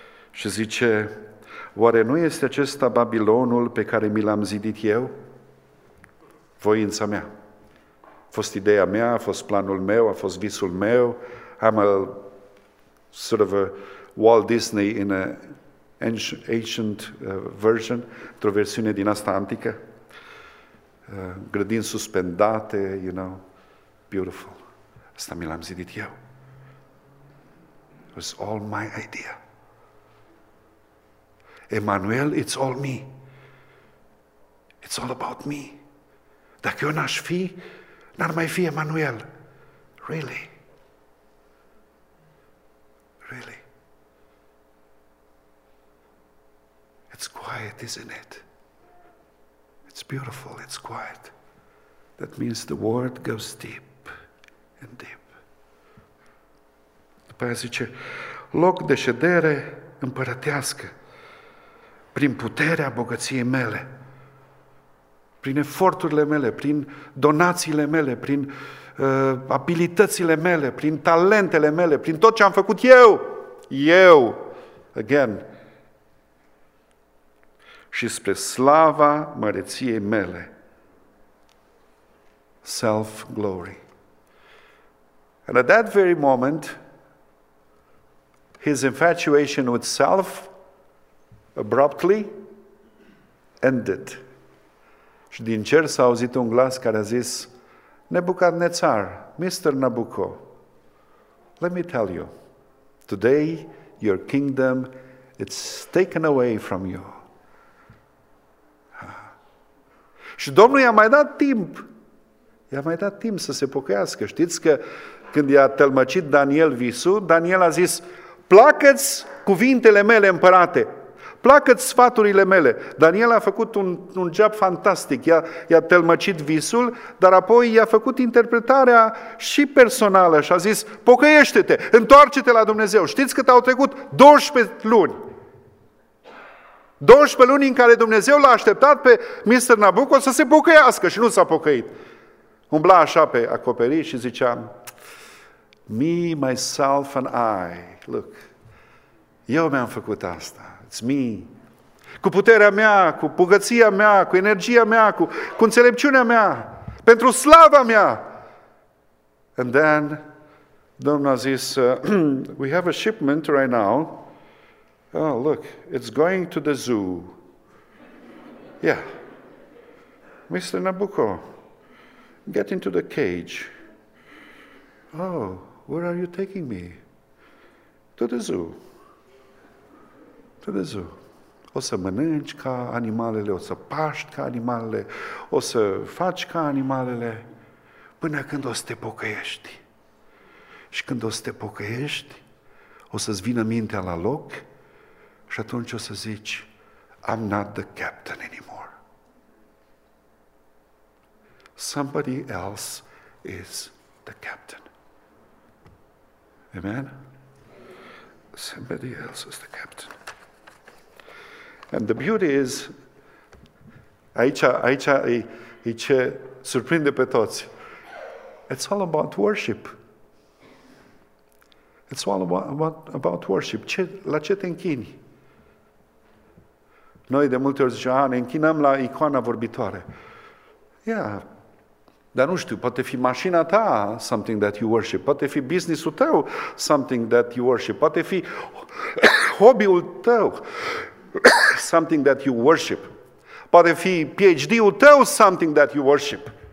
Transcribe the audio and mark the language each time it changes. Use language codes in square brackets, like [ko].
[ro] Și zice, oare nu este acesta Babilonul pe care mi l-am zidit eu? Voința mea. A fost ideea mea, a fost planul meu, a fost visul meu. [en] I'm a sort of a Walt Disney in a ancient version, [ro] într-o versiune din asta antică. Grădini suspendate, [en] you know. Beautiful. [ro] Asta mi l-am zidit eu. [en] It was all my idea. Emmanuel, it's all me. It's all about me. [ro] Dacă eu n-aș fi, n-ar mai fi Emmanuel. [en] Really? Really? It's quiet, isn't it? It's beautiful, it's quiet. That means the word goes deep. [ro] În timp. După aia zice, loc de ședere împărătească prin puterea bogăției mele, prin eforturile mele, prin donațiile mele, prin abilitățile mele, prin talentele mele, prin tot ce am făcut eu. Eu. [en] Again. [ro] Și spre slava măreției mele. [en] Self-glory. And at that very moment, his infatuation with self abruptly ended. [ro] Și din cer s-a auzit un glas care a zis, Nebucadnețar, Mr. [en] Nabucco, let me tell you, today your kingdom, it's taken away from you. [ro] Și Domnul i-a mai dat timp. I-a mai dat timp să se pocăiască. Știți că când i-a tălmăcit Daniel visul, Daniel a zis, placă-ți cuvintele mele, împărate, placă-ți sfaturile mele. Daniel a făcut un job fantastic, i-a tălmăcit visul, dar apoi i-a făcut interpretarea și personală și a zis, pocăiește-te, întoarce-te la Dumnezeu. Știți cât au trecut? 12 luni. 12 luni în care Dumnezeu l-a așteptat pe Mr. Nabucco să se pocăiască și nu s-a pocăit. Umbla așa pe acoperiș și zicea, [en] me, myself and I. Look, [ro] eu mi-am făcut asta. [en] It's me. [ro] cu puterea mea, cu bogăția mea, cu energia mea, cu înțelepciunea mea, pentru slava mea. [en] And then, [ro] Domnul a zis, [en] we have a shipment right now. Oh, look, it's going to the zoo. Yeah. Mr. Nabucco, get into the cage. Oh, where are you taking me? To the zoo. To the zoo. [ro] O să mănânci ca animalele, o să paști ca animalele, o să faci ca animalele, până când o să te pocăiești. Și când o să te pocăiești, o să-ți vină mintea la loc și atunci o să zici, [en] I'm not the captain anymore. Somebody else is the captain. Amen? Somebody else is the captain. And the beauty is, [ro] aici e ce surprinde pe toți. [en] It's all about worship. It's all about worship. [ro] La ce te închini? Noi de multe ori ziceam, ne închinăm la icoana vorbitoare. [en] Yeah, [ro] dar nu știu, poate fi mașina ta, [en] something that you worship. [ro] Poate fi business-ul tău, [en] something that you worship. [ro] Poate fi hobby-ul tău, something that you worship. Poate fi PhD-ul tău, [en] something that you worship.